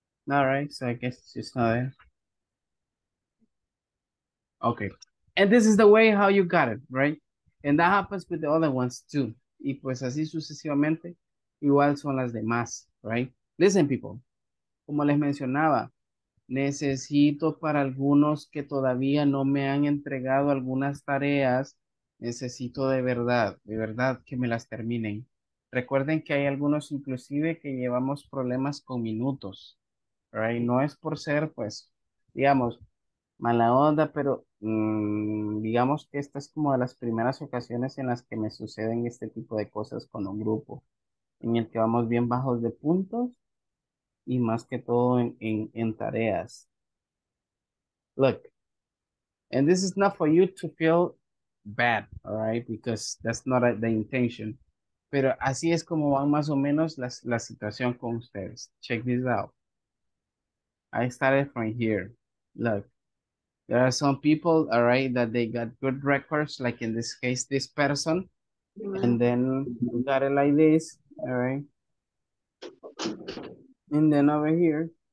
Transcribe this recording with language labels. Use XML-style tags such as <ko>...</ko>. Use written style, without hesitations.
<en>All right, so I guess it's just not there. Okay. And this is the way how you got it, right? And that happens with the other ones too.</en> <es>Y pues así sucesivamente, igual son las demás,</es> <en>right? Listen, people.</en> <es>Como les mencionaba, necesito para algunos que todavía no me han entregado algunas tareas, necesito de verdad que me las terminen. Recuerden que hay algunos inclusive que llevamos problemas con minutos, right? No es por ser, pues, digamos, mala onda, pero digamos que esta es como de las primeras ocasiones en las que me suceden este tipo de cosas con un grupo, en el que vamos bien bajos de puntos y más que todo en tareas.</es> <en>Look, and this is not for you to feel bad, all right? Because that's not the intention.</en> <es>Pero así es como va más o menos la situación con ustedes.</es> <en>Check this out. I started from here. Look, there are some people, all right, that they got good records, like in this case, this person. And then you got it like this, all right? And then over here.</en>